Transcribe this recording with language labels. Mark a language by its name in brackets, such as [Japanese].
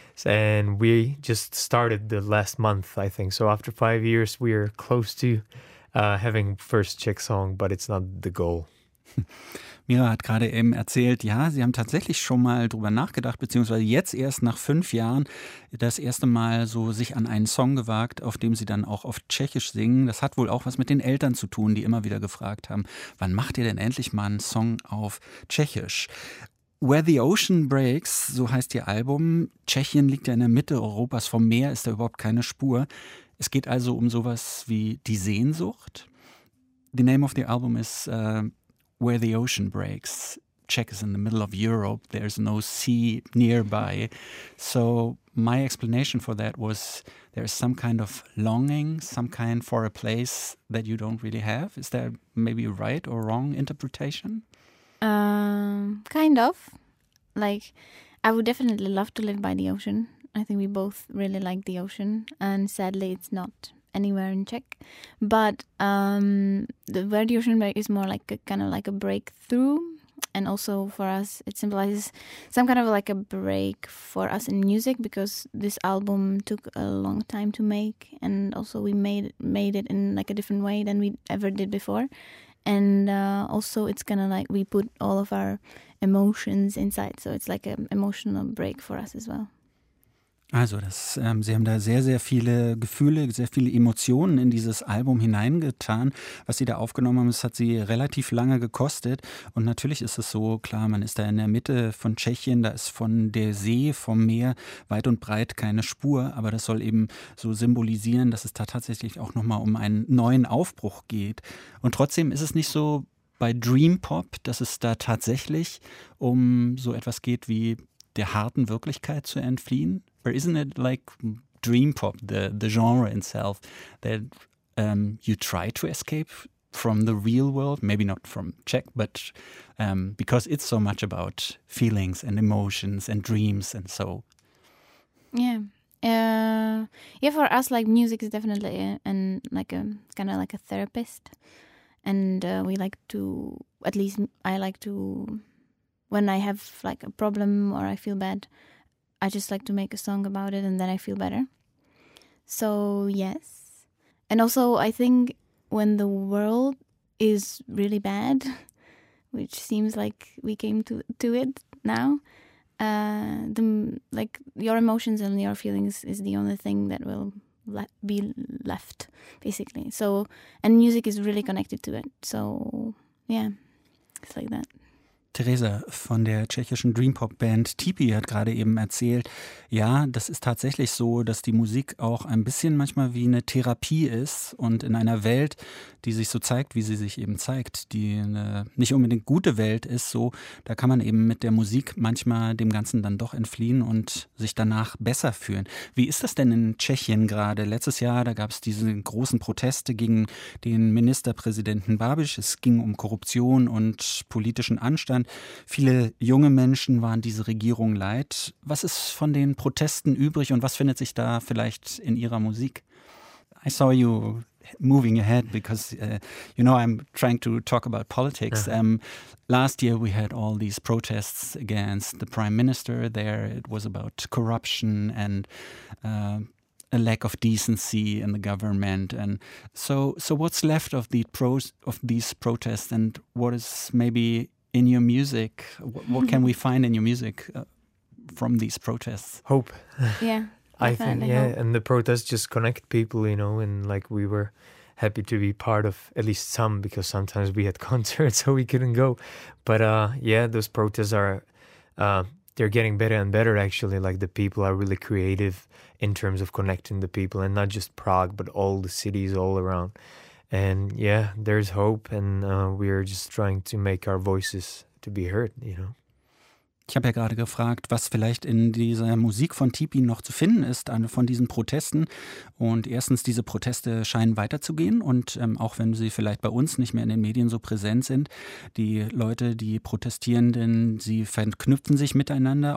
[English] And we just started the last month, I think. So after 5 years, we are close to having first Czech song, but it's not the goal. [German] Mira hat gerade eben erzählt, ja, sie haben tatsächlich schon mal drüber nachgedacht, beziehungsweise jetzt erst nach 5 Jahren das erste Mal so sich an einen Song gewagt, auf dem sie dann auch auf Tschechisch singen. Das hat wohl auch was mit den Eltern zu tun, die immer wieder gefragt haben, wann macht ihr denn endlich mal einen Song auf Tschechisch? Where the Ocean Breaks, so heißt ihr Album. Tschechien liegt ja in der Mitte Europas, vom Meer ist da überhaupt keine Spur. Es geht also um sowas wie die Sehnsucht. [English] The name of the album is Where the Ocean Breaks. Czech is in the middle of Europe. There's no sea nearby. So my explanation for that was there is some kind of longing, some kind for a place that you don't really have. Is that maybe a right or wrong interpretation? Kind of. Like, I would definitely love to live by the ocean. I think we both really like the ocean. And sadly, it's not anywhere in Czech, but Where the Ocean Breaks is more like a kind of like a breakthrough, and also for us it symbolizes some kind of like a break for us in music, because this album took a long time to make, and also we made it in like a different way than we ever did before, and also it's kind of like we put all of our emotions inside, so it's like an emotional break for us as well. Also, Sie haben da sehr, sehr viele Gefühle, sehr viele Emotionen in dieses Album hineingetan. Was Sie da aufgenommen haben, das hat Sie relativ lange gekostet. Und natürlich ist es so, klar, man ist da in der Mitte von Tschechien, da ist von der See, vom Meer weit und breit keine Spur. Aber das soll eben so symbolisieren, dass es da tatsächlich auch nochmal um einen neuen Aufbruch geht. Und trotzdem ist es nicht so bei Dream Pop, dass es da tatsächlich um so etwas geht wie der harten Wirklichkeit zu entfliehen? Or isn't it like dream pop, the genre itself, that you try to escape from the real world, maybe not from Czech, but because it's so much about feelings and emotions and dreams and so. Yeah. Yeah, for us, like, music is definitely a therapist. And we like to, at least I like to, when I have like a problem or I feel bad, I just like to make a song about it and then I feel better. So, yes. And also, I think when the world is really bad, which seems like we came to it now, the your emotions and your feelings is the only thing that will be left, basically. So, and music is really connected to it. So, yeah, it's like that. [German] Theresa von der tschechischen Dream-Pop-Band Tipi hat gerade eben erzählt, ja, das ist tatsächlich so, dass die Musik auch ein bisschen manchmal wie eine Therapie ist und in einer Welt, die sich so zeigt, wie sie sich eben zeigt, die eine nicht unbedingt gute Welt ist, so, da kann man eben mit der Musik manchmal dem Ganzen dann doch entfliehen und sich danach besser fühlen. Wie ist das denn in Tschechien gerade? Letztes Jahr, da gab es diese großen Proteste gegen den Ministerpräsidenten Babiš. Es ging um Korruption und politischen Anschlag. Dann viele junge Menschen waren diese Regierung leid. Was ist von den Protesten übrig und was findet sich da vielleicht in ihrer Musik? [English] I saw you moving ahead because, you know, I'm trying to talk about politics. Yeah. Last year we had all these protests against the prime minister there. It was about corruption and a lack of decency in the government, and so what's left of these protests, and what is maybe in your music, what can we find in your music from these protests? Hope. Yeah. I think, yeah, hope. And the protests just connect people, you know, and like we were happy to be part of at least some, because sometimes we had concerts so we couldn't go. But yeah, those protests are, they're getting better and better actually. Like the people are really creative in terms of connecting the people, and not just Prague, but all the cities all around. And yeah, there's hope, and we are just trying to make our voices to be heard, you know. [German] Ich habe ja gerade gefragt, was vielleicht in dieser Musik von Tipi noch zu finden ist, von diesen Protesten. Und erstens, diese Proteste scheinen weiterzugehen. Und auch wenn sie vielleicht bei uns nicht mehr in den Medien so präsent sind, die Leute, die Protestierenden, sie verknüpfen sich miteinander.